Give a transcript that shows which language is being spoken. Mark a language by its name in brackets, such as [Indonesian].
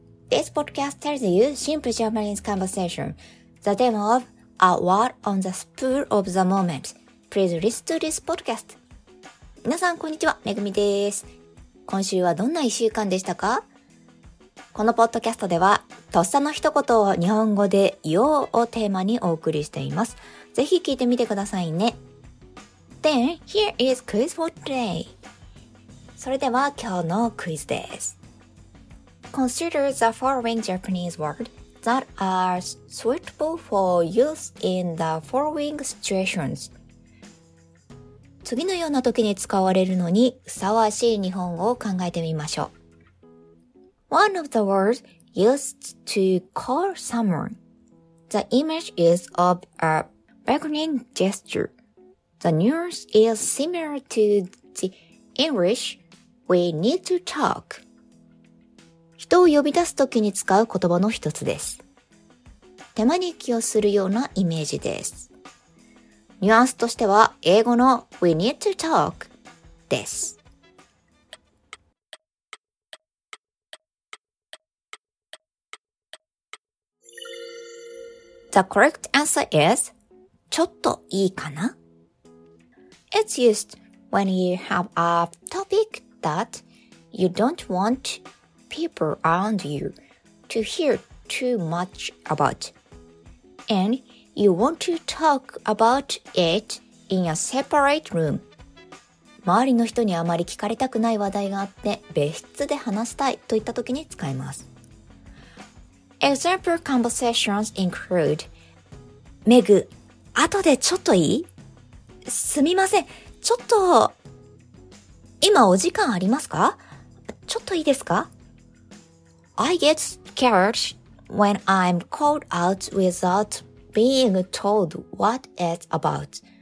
[English] This podcast tells you simple Japanese conversation, the theme of a word on the spur of the moment. Please listen to this podcast. [Japanese] 皆さんこんにちは、Megumiです。今週はどんな1週間でしたか？このポッドキャストではとっさの一言を日本語で言おうをテーマにお送りしています。ぜひ聞いてみてくださいね。 [English] Then here is quiz for today. [Japanese] それでは今日のクイズです。 [English] Consider the following Japanese word that are suitable for use in the following situations. [Japanese] 次のような時に使われるのにふさわしい日本語を考えてみましょう。 [English] One of the words used to call someone. The image is of a beckoning gesture. The nuance is similar to the English we need to talk. [Japanese] 人を呼び出すときに使う言葉の一つです。手招きをするようなイメージです。ニュアンスとしては英語の [English] we need to talk [Japanese] です。 [English] The correct answer is [Japanese] ちょっといいかな? [English] It's used when you have a topic that you don't want people around you to hear too much about, and you want to talk about it in a separate room. [Japanese] 周りの人にあまり聞かれたくない話題があって別室で話したいといった時に使います。 [English] Example conversations include [Japanese] Meg, 後でちょっといい? すみません、ちょっと今お時間ありますか? ちょっといいですか? [English] I get scared when I'm called out without being told what it's about.